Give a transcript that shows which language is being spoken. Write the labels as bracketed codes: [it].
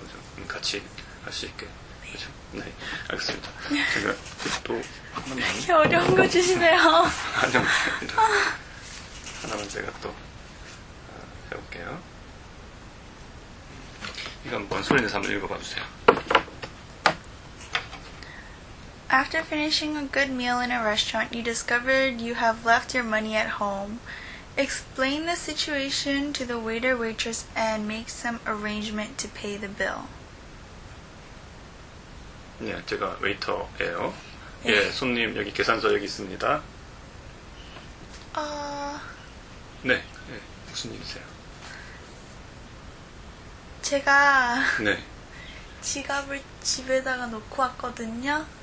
[ko] 그죠? 같이 할 수 있게. 네, 알겠습니다. 제가 또 한 번만 이렇게 어려운 거 주시네요. 아니요, 아닙니다. 하나만 제가 또 해볼게요. 이건 뭔 소리인지 한번 읽어봐 주세요. [en] After finishing a good meal in a restaurant, you discovered you have left your money at home. Explain the situation to the waiter waitress and make some arrangement to pay the bill. [ko] 네, 제가 웨이터예요. 네. 예, 손님 여기 계산서 여기 있습니다. 네, 네, 무슨 일이세요? 제가 네 지갑을 집에다가 놓고 왔거든요.